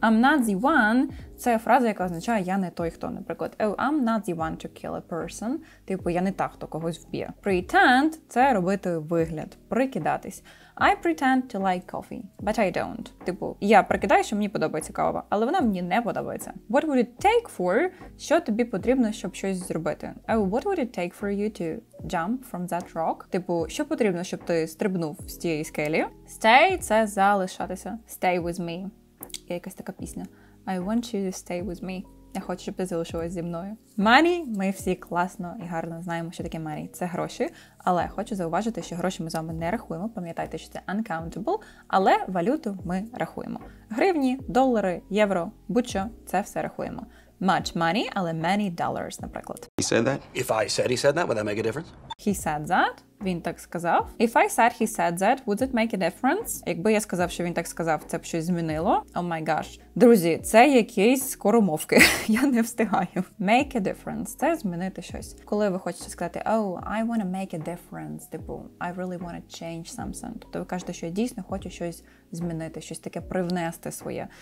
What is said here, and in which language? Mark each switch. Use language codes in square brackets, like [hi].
[en] I'm not the one [uk] – це фраза, яка означає «я не той, хто», наприклад. [en] Oh, I'm not the one to kill a person – [uk] типу «я не та, хто когось вб'є». [en] Pretend – [uk] це робити вигляд, прикидатись. [en] I pretend to like coffee, but I don't. [uk] Типу «я прикидаю, що мені подобається кава, але вона мені не подобається». [en] What would it take for [uk] – що тобі потрібно, щоб щось зробити? [en] Oh, what would it take for you to jump from that rock? [uk] Типу «що потрібно, щоб ти стрибнув з тієї скелі?» Stay – це залишатися. [en] Stay with me. [uk] Є якась така пісня. [en] I want you to stay with me. [uk] Я хочу, щоб ти залишилась зі мною. [en] Money. [uk] Ми всі класно і гарно знаємо, що таке money. Це гроші. Але хочу зауважити, що гроші ми з вами не рахуємо. Пам'ятайте, що це uncountable. Але валюту ми рахуємо. Гривні, долари, євро, будь-що. Це все рахуємо. [en] Much money, [uk] але [en] many dollars, [uk] наприклад. [en] He said that? If I said he said that, would that make a difference? He said that? [uk] Він так сказав. [en] If I said he said that, would it make a difference? [uk] Якби я сказав, що він так сказав, це б щось змінило. [en] Oh my gosh. [uk] Друзі, це якісь скоромовки. Я не встигаю. [en] Make a difference. [uk] Це змінити щось. Коли ви хочете сказати, [en] oh, I want to make a difference. Типу, I really want to change something. [uk] Тобто ви кажете, що я дійсно хочу щось змінити, щось таке привнести своє.